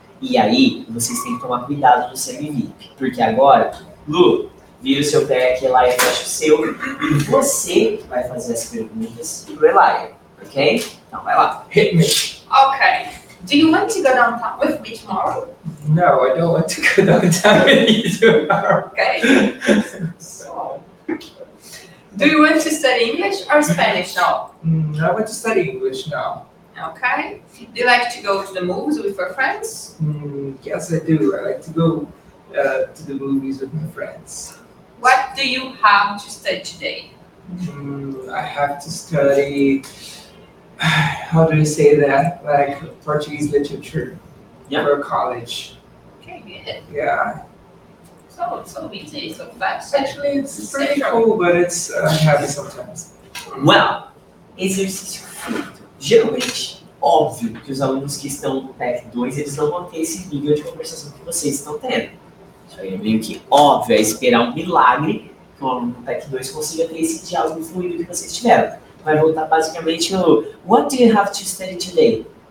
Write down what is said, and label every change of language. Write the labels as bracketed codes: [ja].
[pt] E aí, vocês têm que tomar cuidado no semi-VIP. Porque agora, Lu, vira o seu back, Elaia fecha o seu, e você vai fazer as perguntas pro Elaia, ok? Então vai lá. [en] Hit me. Okay. Do you want to go downtown with me tomorrow? No, I don't want to go downtown with you tomorrow. Okay. So, do you want to study English or Spanish now? No, I want to study English now. Okay. Do you like to go to the movies with your friends? Yes, I do. I like to go to the movies with my friends. What do you have to study today? I have to study, how do you say that, like Portuguese literature for college. Okay, good. Yeah. So busy, so fast. Actually, it's pretty cool, but it's heavy sometimes. [pt] Well, exercício feito. Geralmente, óbvio que os alunos que estão no PEC 2, eles não vão ter esse nível de conversação que vocês estão tendo. Isso aí é meio que óbvio, é esperar um milagre que o aluno do PEC 2 consiga ter esse diálogo fluido que vocês tiveram. Vai voltar basicamente no [en] What do you have to study today?